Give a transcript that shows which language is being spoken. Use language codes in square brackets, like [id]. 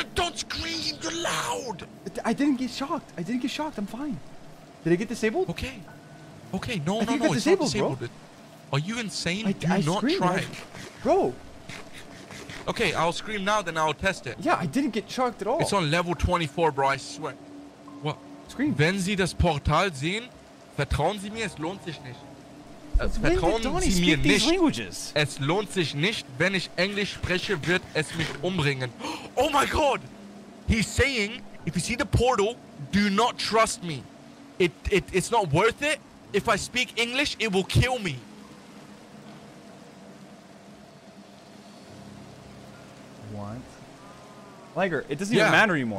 [en] Don't scream! You're loud! I didn't get shocked. I'm fine. Did I get disabled? Okay. No. It's disabled, not disabled. Bro. Are you insane? I screamed, try. Bro. Okay, I'll scream now, then I'll test it. Yeah, I didn't get shocked at all. It's on level 24, bro. I swear. What? Scream. [de] Wenn Sie das Portal sehen, vertrauen Sie mir, es lohnt sich nicht. Vertrauen Sie mir nicht. Languages? Es lohnt sich nicht, wenn ich Englisch spreche, wird es mich umbringen. [en] Oh my god! He's saying, if you see the portal, do not trust me. It's not worth it. If I speak English, it will kill me. What? Liger, it doesn't even matter anymore.